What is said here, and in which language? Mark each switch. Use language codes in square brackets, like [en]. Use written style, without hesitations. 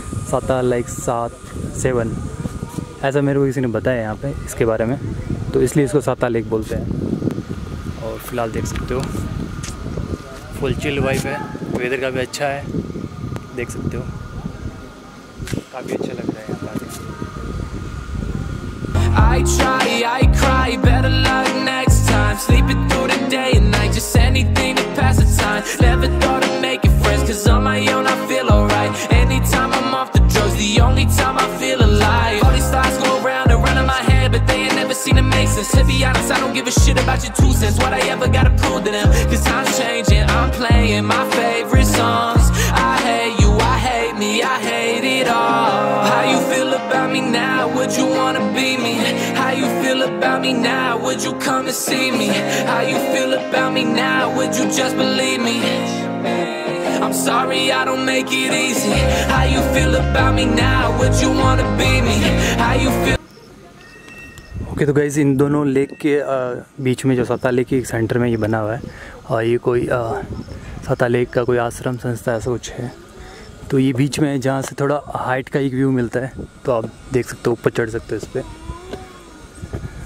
[hi] साताल like सात seven, ऐसा मेरे को किसी ने बताया यहाँ पे इसके बारे में, तो इसलिए इसको साताल लेक बोलते हैं। और फिलहाल देख सकते हो फुल चिल वाइब है, वेदर का भी अच्छा है, देख सकते हो काफ़ी अच्छा लग रहा है यहाँ पे। [en] I try, I cry, better luck next time. Sleeping through the day and night, just anything to pass the time. Never thought of making friends, cause on my own I feel alright. Anytime I'm off the drugs, the only time I feel alive. All these thoughts go round and round in my head, but they ain't never seen a make sense. To be honest, I don't give a shit about your two cents. What I ever gotta prove to them, cause time's changing, I'm playing my favorite songs. I hate you, I hate me, I hate it all. How you feel about me now, would you wanna be me? About me now, would you come and see me? How you feel about me now, would you just believe me? I'm sorry I don't make it easy. How you feel about me now, would you want to be me? How you feel? [hi] Okay, तो guys इन दोनों lake के बीच में जो साता lake के एक centre में ये बना हुआ है, और ये कोई साता लेक का कोई आश्रम संस्था ऐसा कुछ है। तो ये बीच में है जहाँ से थोड़ा हाइट का एक व्यू मिलता है, तो आप देख सकते हो ऊपर चढ़ सकते हो इस पर।